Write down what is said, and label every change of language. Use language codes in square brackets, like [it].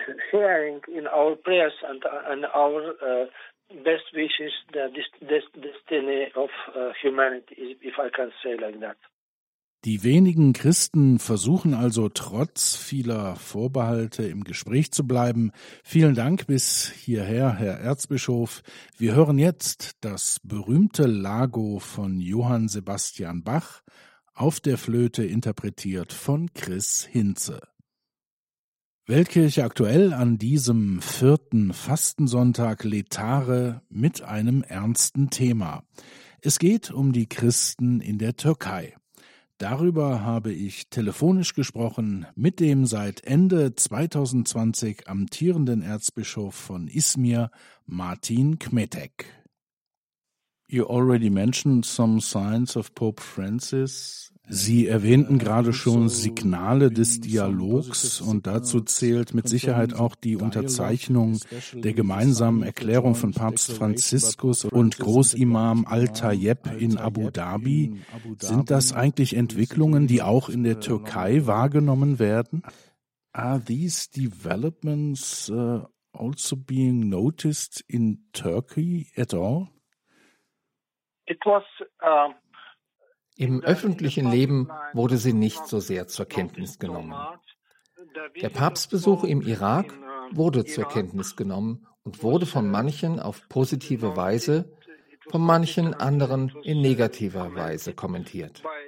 [en] Sharing in our prayers and our best wishes the destiny of humanity, if I can say like that. [de] Die wenigen Christen versuchen also trotz vieler Vorbehalte im Gespräch zu bleiben. Vielen Dank bis hierher, Herr Erzbischof. Wir hören jetzt das berühmte Lago von Johann Sebastian Bach, auf der Flöte interpretiert von Chris Hinze. Weltkirche aktuell an diesem vierten Fastensonntag Letare mit einem ernsten Thema. Es geht um die Christen in der Türkei. Darüber habe ich telefonisch gesprochen mit dem seit Ende 2020 amtierenden Erzbischof von Izmir, Martin Kmetek. [en] You already mentioned some signs of Pope Francis. [de] Sie erwähnten gerade schon Signale des Dialogs und dazu zählt mit Sicherheit auch die Unterzeichnung der gemeinsamen Erklärung von Papst Franziskus und Großimam Al-Tayeb in Abu Dhabi. Sind das eigentlich Entwicklungen, die auch in der Türkei wahrgenommen werden? [en] Are these developments also being noticed in Turkey at all? It was... [de] Im öffentlichen Leben wurde sie nicht so sehr zur Kenntnis genommen. Der Papstbesuch im Irak wurde zur Kenntnis genommen und wurde von manchen auf positive Weise, von manchen anderen in negativer Weise kommentiert.